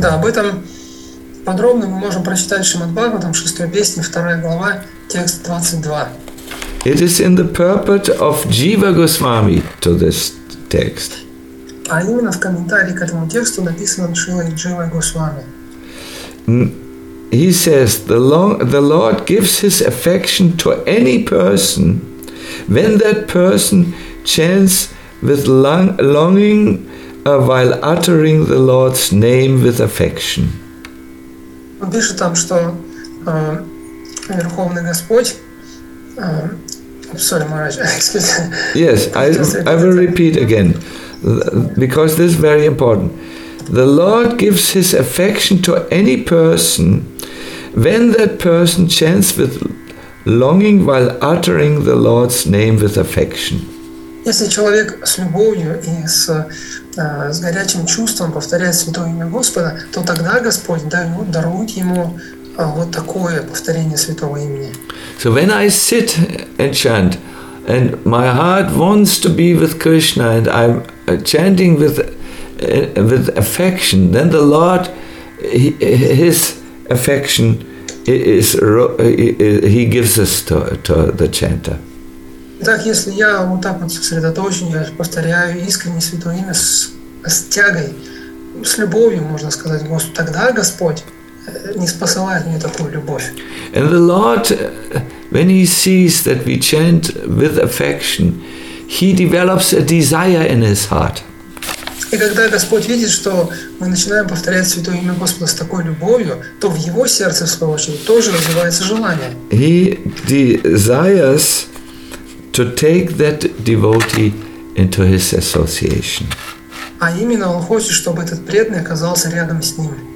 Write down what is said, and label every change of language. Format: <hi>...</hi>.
<ru>Да, об этом подробно мы можем прочитать в Шримад Бхагаватам, 6 песни, 2 глава, текст 22.</ru> <en>It is in the purport of Jiva Goswami to this text.</en> <ru>А именно в комментарии к этому тексту написано Шрилой Джива Госвами.</ru> <en>He says, the Lord gives his affection to any person when that person chants with longing while uttering the Lord's name with affection.</en> <ru>Он пишет там, что Верховный Господь</ru> <en>Yes, I will repeat again, because this is very important. The Lord gives his affection to any person when that person chants with longing while uttering the Lord's name with affection.</en> <ru>Если человек с любовью и с горячим чувством повторяет святое имя Господа, то тогда Господь дарует ему вот такое повторение святого имени.</ru> <en>So when I sit and chant, and my heart wants to be with Krishna, and I'm chanting with affection, then the Lord, his affection is, he gives us to the chanter.</en> <ru>Так, если я вот так вот сосредоточен, я повторяю искренне святое имя с тягой, с любовью, можно сказать, Господь, тогда Господь не посылает мне такую любовь.</ru> <en>And the Lord, when he sees that we chant with affection, he develops a desire in his heart.</en> <ru>И когда Господь видит, что мы начинаем повторять святое имя Господа с такой любовью, то в его сердце, в свою очередь, тоже развивается желание.</ru> <en>He desires to take that devotee into his association.</en> <ru>А именно он хочет, чтобы этот преданный оказался рядом с ним.</ru>